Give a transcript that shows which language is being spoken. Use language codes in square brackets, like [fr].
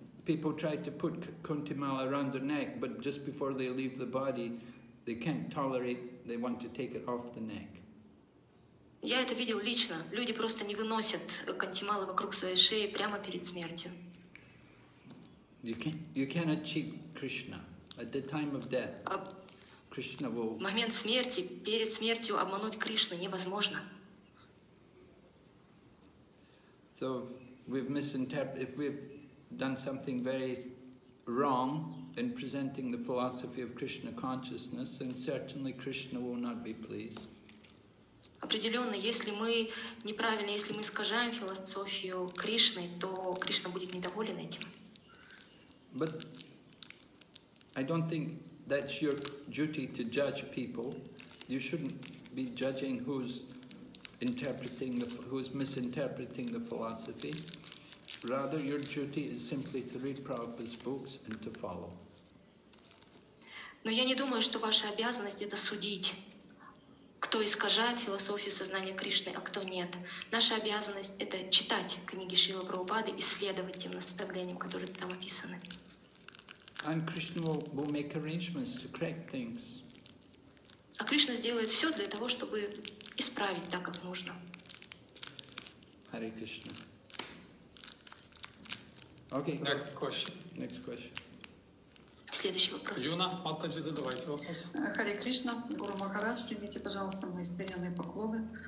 [en] People try to put kuntimala around their neck, but just before they leave the body, they can't tolerate, they want to take it off the neck. [ru] Я это видел лично. Люди просто не выносят кантималы вокруг своей шеи прямо перед смертью. [en] You cannot cheat Krishna. At the time of death, Krishna will... [ru] В момент смерти, перед смертью обмануть Кришну невозможно. [en] So, if we've done something very wrong in presenting the philosophy of Krishna consciousness, then certainly Krishna will not be pleased. [ru] Определенно, если мы искажаем философию Кришны, то Кришна будет недоволен этим. [en] But I don't think that's your duty to judge people. You shouldn't be judging who's interpreting the, who's misinterpreting the philosophy. Rather, your duty is simply to read Prabhupada's books and to follow. [ru] Но я не думаю, что ваша обязанность это судить, кто искажает философию сознания Кришны, а кто нет. Наша обязанность это читать книги Шрилы Прабхупады и следовать тем наставлениям, которые там описаны. [en] And Krishna will make arrangements to correct things. [ru] А Кришна сделает все для того, чтобы исправить так, как нужно. [en] Hare Krishna. Okay. Next question. Next question. [ru] Юна, Матаджи, задавайте вопрос. Харе Кришна, Гуру Махарадж, примите, пожалуйста, мои смиренные поклоны.